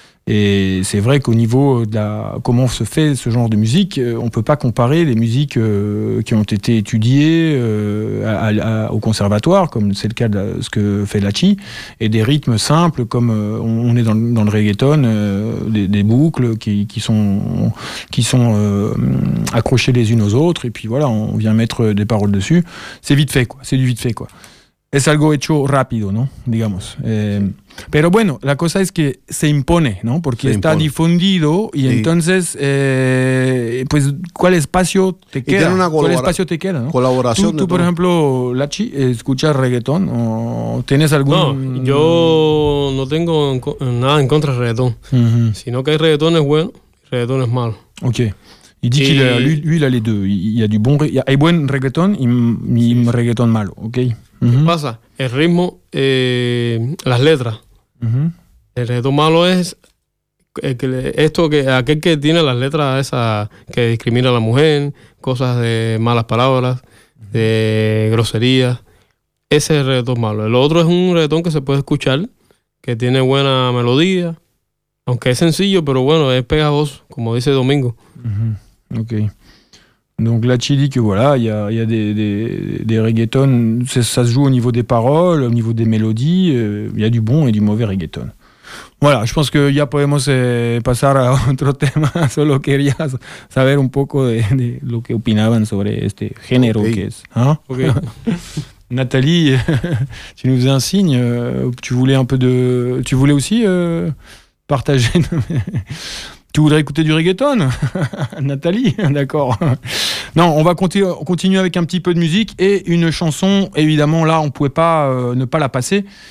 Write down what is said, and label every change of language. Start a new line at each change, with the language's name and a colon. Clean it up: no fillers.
French: Et c'est vrai qu'au niveau de comment se fait ce genre de musique, on ne peut pas comparer les musiques qui ont été étudiées au conservatoire, comme c'est le cas de ce que fait Lachi, et des rythmes simples, comme on est dans le reggaeton, des boucles qui sont accrochées les unes aux autres, et puis voilà, on vient mettre des paroles dessus. C'est vite fait, quoi. C'est du vite fait, quoi.
Spanish: Es algo hecho rápido, ¿no? Digamos. Pero bueno, la cosa es que se impone, ¿no? Porque está difundido y sí. Entonces, pues, ¿cuál espacio te queda? Tiene una ¿cuál espacio te queda? ¿No? Colaboración. ¿Tú por ejemplo, Lachi, escuchas reggaetón? ¿O tienes algún...? No, yo no tengo nada en contra del reggaetón. Uh-huh. Sino que el reggaetón es bueno, el reggaetón es malo.
French: Ok. Il dit qu'il a les deux. Il y a du bon reggaeton
Spanish: y reggaeton malo. Okay. ¿Qué uh-huh. pasa? El ritmo, las letras. Uh-huh. El reggaetón malo es aquel que tiene las letras esas que discrimina a la mujer, cosas de malas palabras, de groserías. Ese es el reggaetón malo. El otro es un reggaetón que se puede escuchar, que tiene buena melodía, aunque es sencillo, pero bueno, es pegajoso, como dice Domingo. Uh-huh. Ok.
French: Donc Lachi dit que voilà, il y a, des reggaeton, ça se joue au niveau des paroles, au niveau des mélodies, il y a du bon et du mauvais reggaeton. Voilà, je pense que
Spanish: ya podemos pasar a otro tema, solo quería saber un poco de lo que opinaban sobre este género okay. que es. Hein? Okay.
French: Nathalie, tu nous faisais un signe, tu voulais un peu de... Tu voulais aussi partager... Tu voudrais écouter du reggaeton, Nathalie, d'accord. Non, on va continuer avec un petit peu de musique et une chanson, évidemment, là, on ne pouvait pas ne pas la passer.